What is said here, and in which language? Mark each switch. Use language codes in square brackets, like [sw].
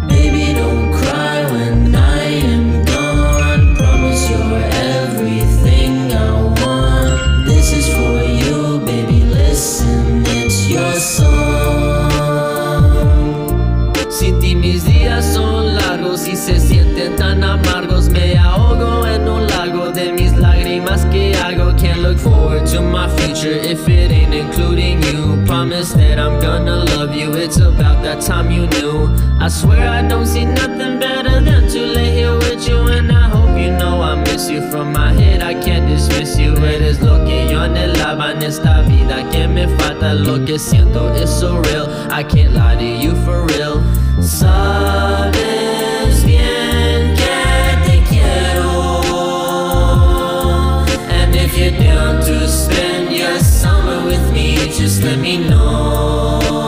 [en] Baby, don't cry when I am gone. Promise you're everything I want. This is for you, baby, listen, it's your song. [es] Sin ti mis días son largos y se sienten tan amargos. Me ahogo en un lago de mis lágrimas que hago. [en] Can't look forward to my future if it ain't including you. Promise that I'm gonna love you, it's about that time you knew. I swear I don't see nothing better than to lay here with you. And I hope you know I miss you. From my head I can't dismiss you. [es] Eres lo que yo anhelaba en esta vida que me falta. Lo que siento es [en] so real, I can't lie to you for real. [es] Sabes bien que te quiero. [en] And if you're down to spend your summer with me, just let me know.